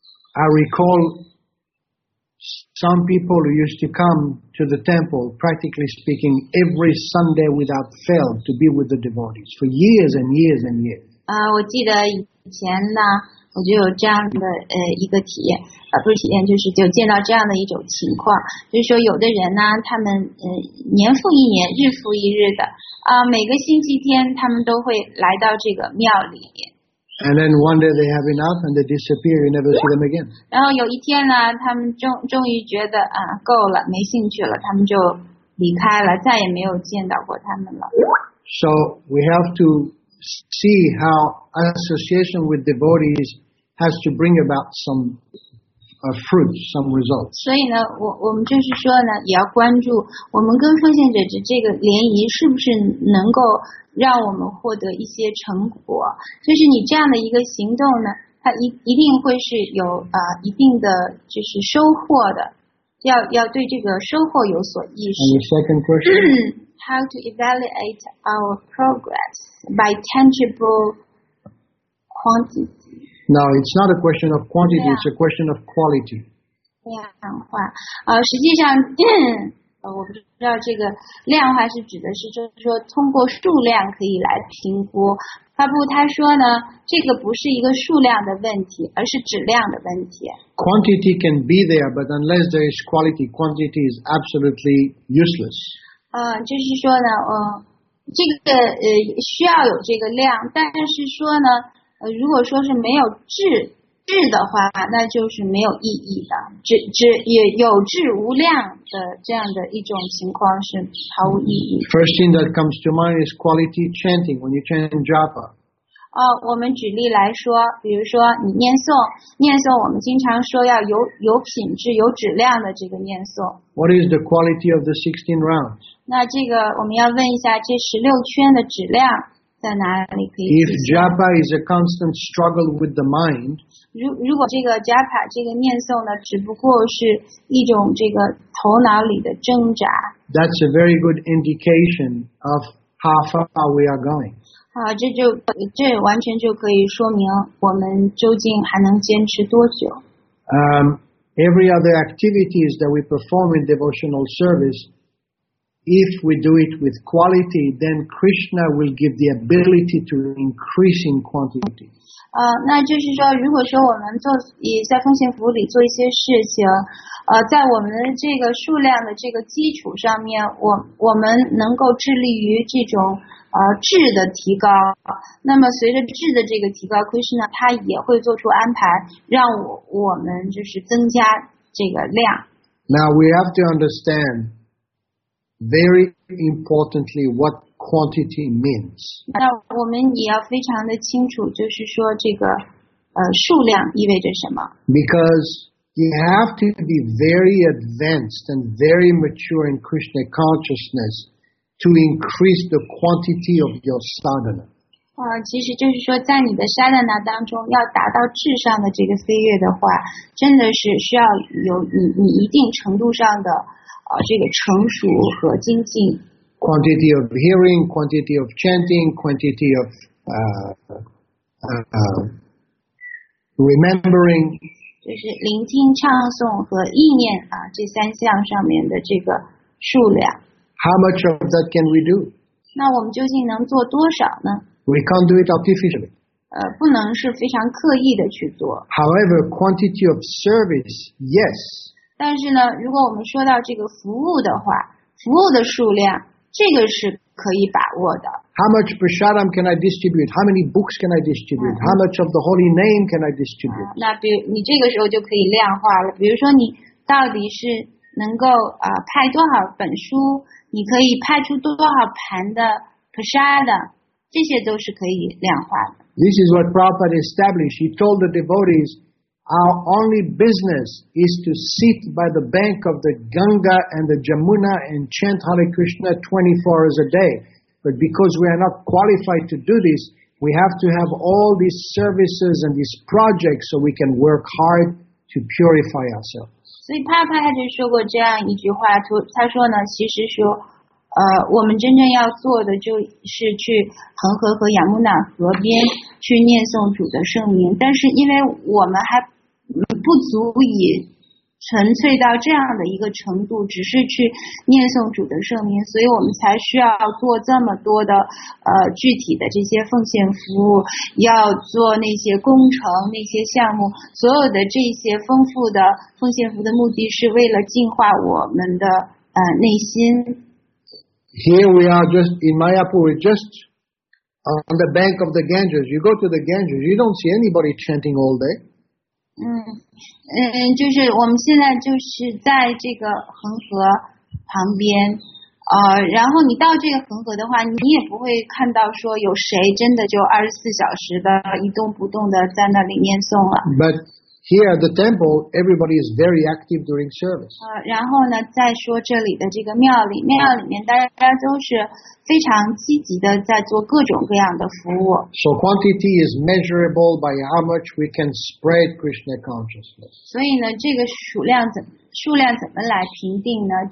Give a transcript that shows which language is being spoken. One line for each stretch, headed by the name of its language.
English: I recall some people who used to come to the temple, practically speaking, every Sunday without fail to be with the devotees for years and years and years.
Chinese: 我记得以前呢，我就有这样的一个体验，不是体验，就是就见到这样的一种情况，就是说有的人呢，他们年复一年，日复一日的每个星期天他们都会来到这个庙里。
English: And then one day they have enough and they disappear. You never see them again.
Chinese: 然后有一天呢，他们终于觉得够了，没兴趣了，他们就离开了，再也没有见到过他们了。
English: So we have to see how association with devotees has to bring about some fruit, some results.
Chinese: 所以呢，我们就是说呢，也要关注我们跟奉献者的这个联谊是不是能够。让我们获得一些成果，就是你这样的一个行动呢，它一定会是有一定的就是收获的，要对这个收获有所意识。
English: And the second question, how to evaluate our progress by tangible quantity? No, it's not a question of quantity, yeah. It's a question of quality.
Chinese: 量化，实际上。我不知道这个量化是指的是就是说通过数量可以来评估。发布他说呢，这个不是一个数量的问题，而是质量的问题。
English: Quantity can be there, but unless there is quality, quantity is absolutely useless.
Chinese: 就是说呢，这个需要有这个量，但是说呢，如果说是没有质的话，那就是没有意义的。只也有质无量的这样的一种情况是毫无意义。
English: First thing that comes to mind is quality chanting when you chant japa.
Chinese: 我们举例来说，比如说你念诵，我们经常说要有品质、有质量的这个念诵。
English: What is the quality of the 16 rounds?
Chinese: 那这个我们要问一下，这16圈的质量。
English: If japa is a constant struggle with the mind,
Chinese: 如果这个 japa 这个念诵呢，只不过是一种这个头脑里的挣扎，
English: that's a very good indication of how far we are going.
Chinese: 这完全就可以说明我们究竟还能坚持多久。
English: Every other activities that we perform in devotional service. If we do it with quality, then Krishna will give the ability to increase in quantity.
Chinese: 那就是说，如果说我们做以在奉献服务里做一些事情，在我们这个数量的这个基础上面，我们能够致力于这种质的提高。那么随着质的这个提高 ，Krishna 他也会做出安排，让我们就是增加这个量。
English: Now we have to understand. Very importantly, what quantity means.
Chinese: 那我们也要非常的清楚，就是说这个数量意味着什么。
English: Because you have to be very advanced and very mature in Krishna consciousness to increase the quantity of your sadhana.
Chinese: 其实就是说，在你的 sadhana 当中，要达到质上的这个飞跃的话，真的是需要有你一定程度上的。这个成熟和精进。
English: Quantity of hearing, quantity of chanting, quantity of remembering.
Chinese: 就是聆听、唱诵和意念这三项上面的这个数量。
English: How much of that can we do?
Chinese: 那我们究竟能做多少呢
English: ？We can't do it artificially.
Chinese: 不能是非常刻意的去做。
English: However, quantity of service, yes.
Chinese: 但是呢，如果我们说到这个服务的话，服务的数量，这个是可以把握的。
English: How much prasadam can I distribute? How many books can I distribute? How much of the holy name can I distribute?
Chinese: 那比如你这个时候就可以量化了。比如说你到底是能够派多少本书，你可以派出多少盘的 prasadam， 这些都是可以量化的。
English: This is what Prabhupada established. He told the devotees. Our only business is to sit by the bank of the Ganga and the Jamuna and chant Hare Krishna 24 hours a day. But because we are not qualified to do this, we have to have all these services and these projects so we can work hard to purify ourselves.
Chinese: 所以帕帕他就说过这样一句话，他说呢，其实说，我们真正要做的就是去恒河和亚穆纳河边去念诵主的圣名，但是因为我们还不足以纯粹到这样的一个程度，只是去念诵主的圣名，所以我们才需要做这么多的具体的这些奉献服务，要做那些工程，那些项目，所有的这些丰富的奉献服务的目的是为了净化我们的内心。
English: Here we are just in Mayapur, we're just on the bank of the Ganges. You go to the Ganges, you don't see anybody chanting all day.
Chinese: 就是我们现在就是在这个恒河旁边，然后你到这个恒河的话，你也不会看到说有谁真的就24小时的一动不动的在那里念诵了。
English: But here at the temple, everybody is very active during service.
Chinese: 然后呢，再说这里的这个庙里面大家都是非常积极的在做各种各样的服务。
English: So quantity is measurable by how much we can spread Krishna consciousness.
Chinese: 所以呢，这个数量怎么来评定呢？